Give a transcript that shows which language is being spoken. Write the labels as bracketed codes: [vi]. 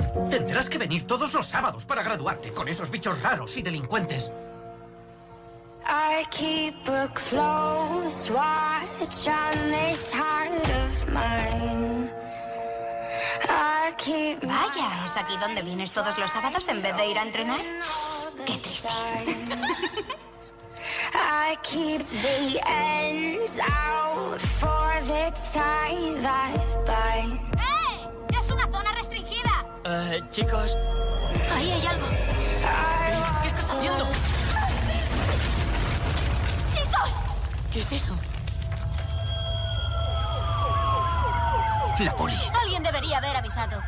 [es] Tendrás que venir todos los sábados para graduarte con esos bichos raros y delincuentes. [en] I keep a close watch on this heart of mine. I keep my... [es] Vaya, ¿es aquí donde vienes todos los sábados en vez de ir a entrenar? ¡Qué triste! [en] I keep the ends out for the tie that binds. [es] ¡Hey! ¡Es una zona restringida! Chicos... ¡Ahí hay algo! ¿Qué estás haciendo? ¿Qué es eso? La poli. Alguien debería haber avisado.